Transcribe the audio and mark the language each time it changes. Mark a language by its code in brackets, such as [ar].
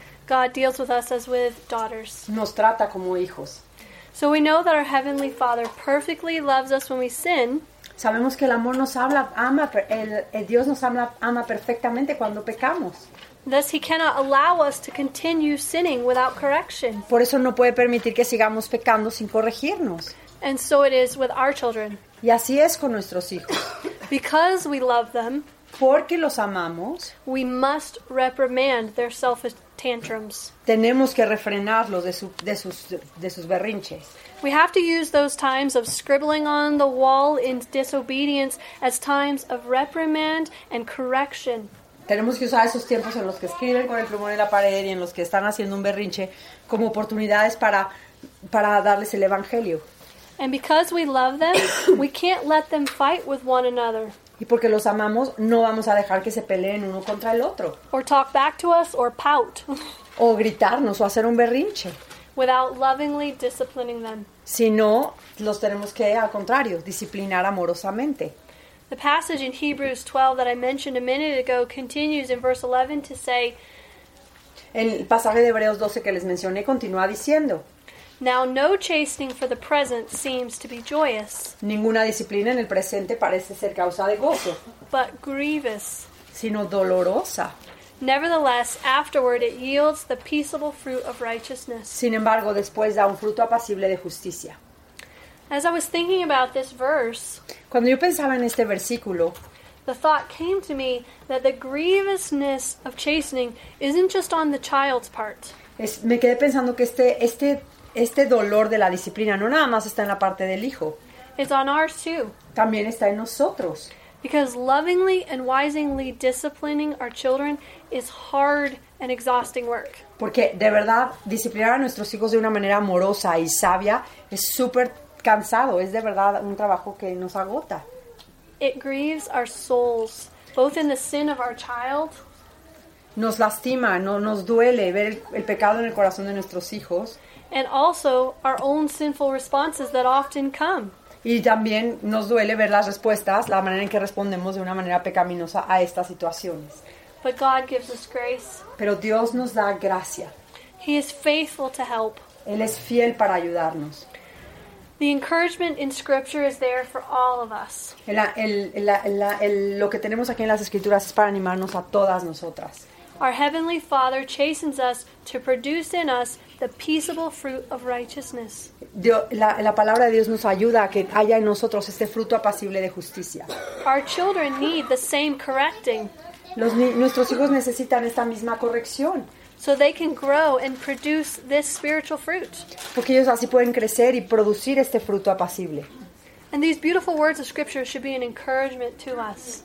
[en] God deals with us as with daughters. [es] Nos trata como hijos. [en] So we know that our Heavenly Father perfectly loves us when we sin. [es] Sabemos que el amor nos habla, ama, el Dios nos habla, ama perfectamente cuando pecamos. [en] Thus he cannot allow us to continue sinning without correction. [es] Por eso no puede permitir que sigamos pecando sin corregirnos. [en] And so it is with our children. [es] Y así es con nuestros hijos. [en] Because we love them, [es] porque los amamos, [en] we must reprimand their selfish tantrums. [es] Tenemos que refrenarlos de sus berrinches. [en] We have to use those times of scribbling on the wall in disobedience as times of reprimand and correction. [es] Tenemos que usar esos tiempos en los que escriben con el plumón en la pared y en los que están haciendo un berrinche como oportunidades para darles el evangelio. [en] And because we love them, we can't let them fight with one another. [es] Y porque los amamos, no vamos a dejar que se peleen uno contra el otro. [en] Or talk back to us or pout. [es] O gritarnos o hacer un berrinche. [en] Without lovingly disciplining them. [es] Si no, los tenemos que, al contrario, disciplinar amorosamente. [en] The passage in Hebrews 12 that I mentioned a minute ago continues in verse 11 to say, [es] el pasaje de Hebreos 12 que les mencioné continúa diciendo, [en] now no chastening for the present seems to be joyous. [es] Ninguna disciplina en el presente parece ser causa de gozo. [en] But grievous. [es] Sino dolorosa. [en] Nevertheless, afterward it yields the peaceable fruit of righteousness. [es] Sin embargo, después da un fruto apacible de justicia. [en] As I was thinking about this verse, [es] cuando yo pensaba en este versículo, [en] the thought came to me that the grievousness of chastening isn't just on the child's part. [es] Me quedé pensando que este dolor de la disciplina no nada más está en la parte del hijo. [en] It's on ours too. [es] También está en nosotros. [en] Because lovingly and wisely disciplining our children is hard and exhausting work. [es] Porque de verdad disciplinar a nuestros hijos de una manera amorosa y sabia es súper cansado, es de verdad un trabajo que nos agota. [en] It grieves our souls, both in the sin of our child. [es] Nos lastima, no, nos duele ver el pecado en el corazón de nuestros hijos. [en] And also our own sinful responses that often come. [es] Y también nos duele ver las respuestas, la manera en que respondemos de una manera pecaminosa a estas situaciones. [en] But God gives us grace. [es] Pero Dios nos da gracia. [en] He is faithful to help. [es] Él es fiel para ayudarnos. [en] The encouragement in Scripture is there for all of us. [es] Lo que tenemos aquí en las Escrituras es para animarnos a todas nosotras. [en] Our Heavenly Father chastens us to produce in us the peaceable fruit of righteousness. [es] La palabra de Dios nos ayuda a que haya en nosotros este fruto apacible de justicia. [en] Our children need the same correcting. [es] Nuestros hijos necesitan esta misma corrección. [en] So they can grow and produce this spiritual fruit. [es] Porque ellos así pueden crecer y producir este fruto apacible. [en] And these beautiful words of Scripture should be an encouragement to us.